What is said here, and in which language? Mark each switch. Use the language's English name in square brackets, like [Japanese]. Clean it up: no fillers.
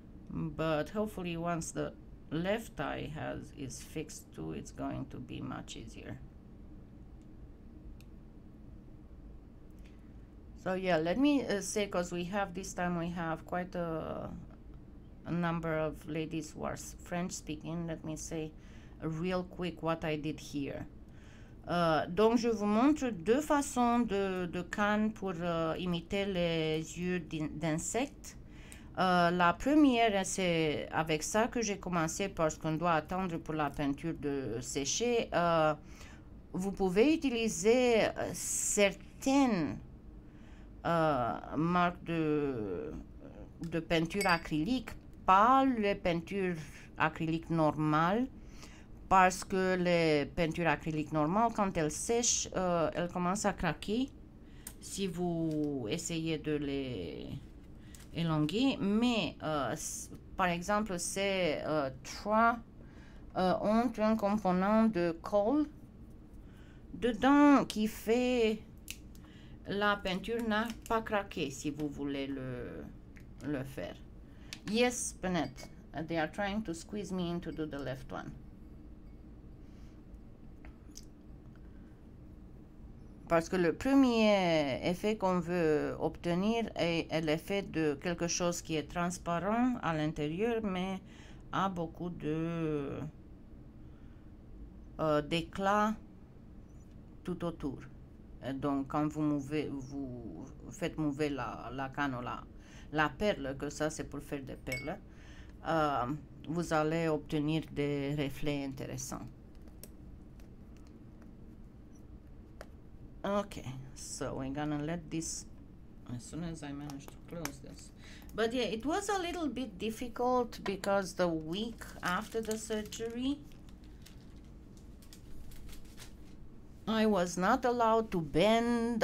[English] But hopefully, once the left eye is fixed too, it's going to be much easier. So yeah, let me say, because we have this time, we have quite a number of ladies who are French speaking. Let me say real quick what I did here. [French] Donc je vous montre deux façons de canne pour imiter les yeux d'insectes. La première, c'est avec ça que j'ai commencé parce qu'on doit attendre pour la peinture de sécher. Vous pouvez utiliser certaines marques de peinture acrylique, pas les peintures acryliques normales, parce que les peintures acryliques normales, quand elles sèchent, elles commencent à craquer si vous essayez de les élonguer. Mais par exemple, ces trois ont un composant de colle dedans qui fait la peinture n'a pas craqué si vous voulez le faire. [English] Yes, Bennett. They are trying to squeeze me in to do the left one. [French] Parce que le premier effet qu'on veut obtenir est l'effet de quelque chose qui est transparent à l'intérieur, mais a beaucoup de d'éclat tout autour. Et donc, quand vous faites mouver la canne, la perle, que ça c'est pour faire des perles, vous allez obtenir des reflets intéressants. [English] Okay, so we're gonna let this as soon as I manage to close this. But yeah, it was a little bit difficult because the week after the surgery, I was not allowed to bend.